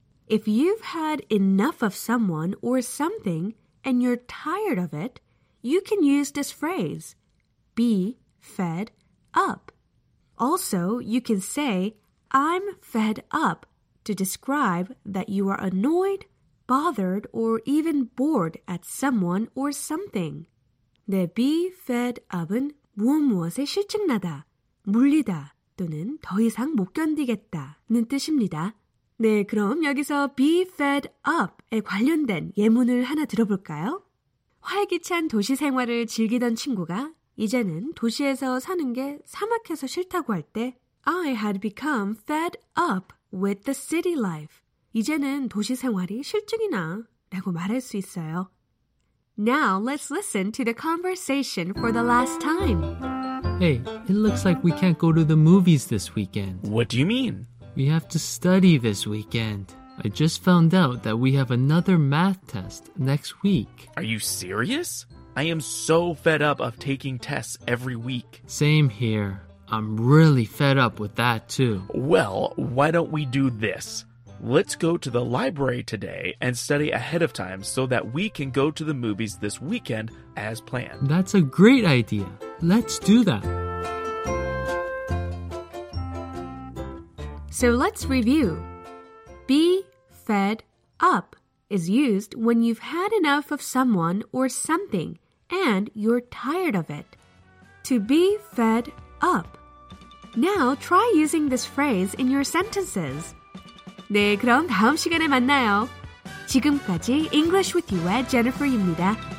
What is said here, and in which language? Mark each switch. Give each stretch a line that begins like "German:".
English: If you've had enough of someone or something and you're tired of it, you can use this phrase, be fed up. Also, you can say, I'm fed up to describe that you are annoyed, bothered, or even bored at someone or something.
Korean: 네, be fed up은 무엇 무엇에 실증나다, 물리다, 또는 더 이상 못 견디겠다는 뜻입니다. 네, 그럼 여기서 be fed up에 관련된 예문을 하나 들어볼까요? 활기찬 도시 생활을 즐기던 친구가 이제는 도시에서 사는 게 사막해서 싫다고 할 때
English: I had become fed up with the city life.
Korean: 이제는 도시 생활이 싫증이나 라고 말할 수 있어요.
English: Now let's listen to the conversation for the last time. Hey, it looks like we can't go to the movies this weekend. What do you mean? We have to study this weekend. I just found out that we have another math test next week. Are you serious? I am so fed up of taking tests every week. Same here. I'm really fed up with that too. Well, why don't we do this? Let's go to the library today and study ahead of time so that we can go to the movies this weekend as planned. That's a great idea. Let's do that. So let's review. Be fed up is used when you've had enough of someone or something and you're tired of it. To be fed up. Now try using this phrase in your sentences.
Korean: 네, 그럼 다음 시간에 만나요. 지금까지 English with You의 Jennifer입니다.